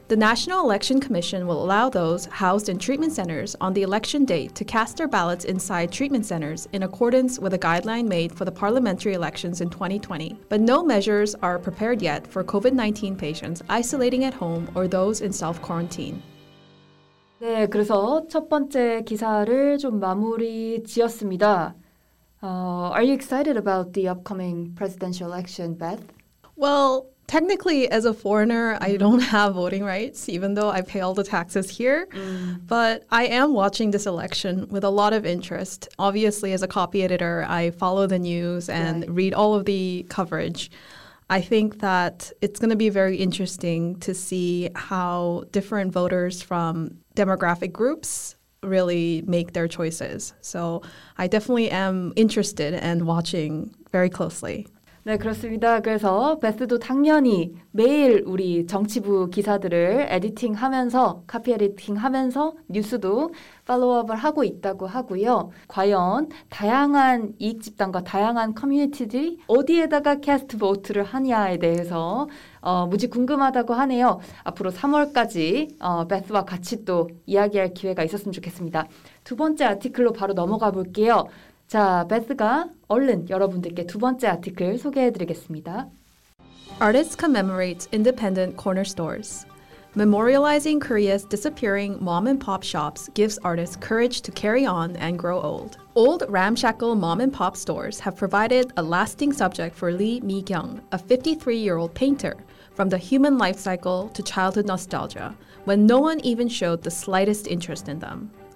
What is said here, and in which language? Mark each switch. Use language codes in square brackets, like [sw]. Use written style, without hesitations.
[en] The National Election Commission will allow those housed in treatment centers on the election date to cast their ballots inside treatment centers in accordance with a guideline made for the parliamentary elections in 2020. But no measures are prepared yet for COVID-19 patients isolating at home or those in self-quarantine. [ko] 네, 그래서 첫 번째 기사를 좀 마무리 지었습니다. [en] Are you excited about the upcoming presidential election, Beth? Well, technically, as a foreigner, I don't have voting rights, even though I pay all the taxes here. But I am watching this election with a lot of interest. Obviously, as a copy editor, I follow the news and read all of the coverage. I think that it's going to be very interesting to see how different voters from demographic groups really make their choices. So I definitely am interested and watching very closely. [ko] 네, 그렇습니다. 그래서 베스도 당연히 매일 우리 정치부 기사들을 에디팅하면서 카피 에디팅하면서 뉴스도 팔로우업을 하고 있다고 하고요. 과연 다양한 이익 집단과 다양한 커뮤니티들이 어디에다가 캐스트 보트를 하냐에 대해서 무지 궁금하다고 하네요. 앞으로 3월까지 베스와 같이 또 이야기할 기회가 있었으면 좋겠습니다. 두 번째 아티클로 바로 넘어가 볼게요. 자, 베스가 얼른 여러분들께 두 번째 아티클 소개해드리겠습니다. [en] Artists commemorate independent corner stores. Memorializing Korea's disappearing mom-and-pop shops gives artists courage to carry on and grow old. Old ramshackle mom-and-pop stores have provided a lasting subject for Lee Mi-kyung, a 53-year-old painter, from the human life cycle to childhood nostalgia, when no one even showed the slightest interest in them.